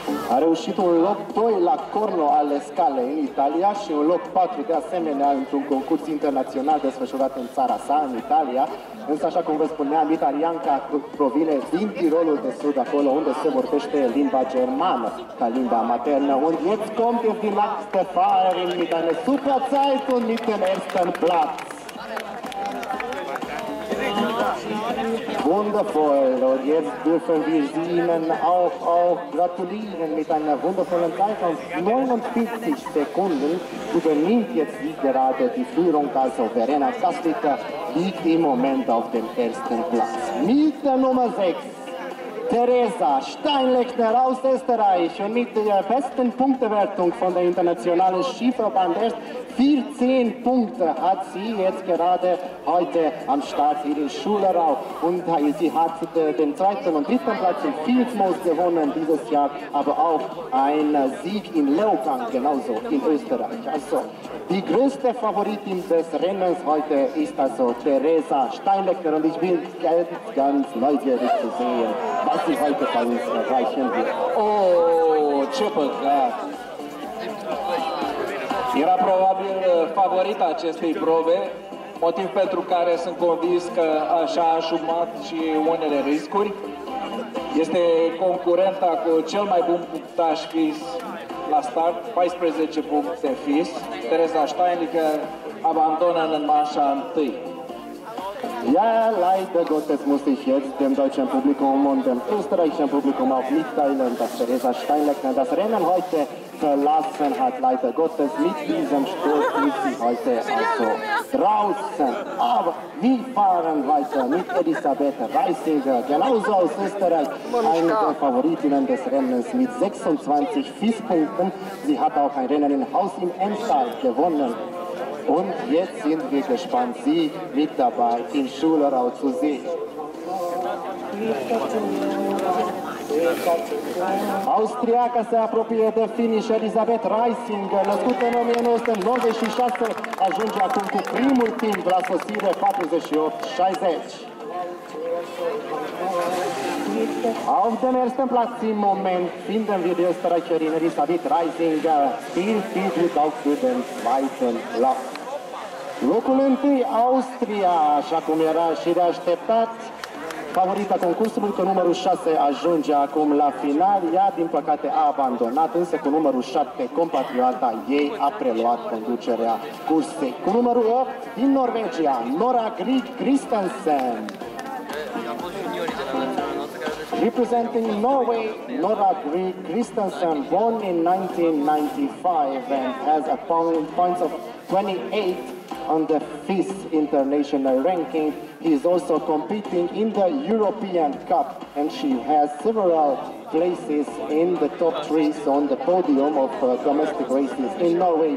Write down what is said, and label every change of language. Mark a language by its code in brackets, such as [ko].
[ro] A reușit un loc 2 la Corno ale Scale în Italia și un loc 4 de asemenea într-un concurs internațional desfășurat în țara sa, în Italia. Însă, așa cum vă spuneam, italianca provine din Tirolul de Sud, acolo unde se vorbește limba germană ca limba maternă. [de] Und jetzt kommt die nächste Fahrerin mit einer super Zeit und mit dem ersten Platz. Wundervoll, und jetzt dürfen wir Ihnen auch gratulieren mit einer wundervollen Zeit von 49 Sekunden. Übernimmt jetzt gerade die Führung, also Verena Gaslitter liegt im Moment auf dem ersten Platz. Mit der Nummer 6, Teresa Steinlechner aus Österreich, und mit der besten Punktewertung von der internationalen Skiverband erst 14 Punkte hat sie jetzt gerade heute am Start hier in Schularau, und sie hat den zweiten und dritten Platz in Vilsmoos gewonnen dieses Jahr, aber auch einen Sieg in Leogang, genauso in Österreich. Also die größte Favoritin des Rennens heute ist also Teresa Steinlechner, und ich bin ganz, ganz neugierig zu sehen, was sie heute bei uns erreichen wird. Oh, Chippelgrad! [ro] Era probabil favorita acestei probe, motiv pentru care sunt convins că așa a asumat și unele riscuri. Este concurenta cu cel mai bun punctaj fis la start, 14 puncte fis. Teresa Steinlicher abandonă în manșa întâi. [de] Ja, leider Gottes musste ich jetzt dem deutschen Publikum und dem österreichischen Publikum auch mitteilen, dass Teresa Steinlecker das Rennen heute verlassen hat. Leider Gottes, mit diesem Sturz ist sie heute also draußen. Aber wir fahren weiter mit Elisabeth Reisinger, genauso aus Österreich, eine der Favoritinnen des Rennens mit 26 Fisspunkten. Sie hat auch ein Rennen im Haus im Emsal gewonnen. Und jetzt sind wir gespannt, Sie mit dabei in Schularau zu sehen. [ro] Austriaca se apropie de finish, Elisabeth Reisinger, născută în 1996, ajunge acum cu primul timp la sosire 48-60. [de] Auf dem ersten Platz im Moment finden wir die Österreicherin Elisabeth Reisinger. Viel Glück auch für den zweiten Lauf. [ro] Locul întâi, Austria, așa cum era și de așteptat. Favorita concursului cu numărul 6 ajunge acum la final. Ea, din păcate, a abandonat, însă cu numărul 7, compatrioata ei, a preluat conducerea cursei. Cu numărul 8, din Norvegia, Nora Grieg Christensen. [en] Representing Norway, Nora Grieg Christensen, born in 1995 and has a following points of 28 on the FIS international ranking. He is also competing in the European Cup and she has several places in the top three on the podium of domestic races in Norway.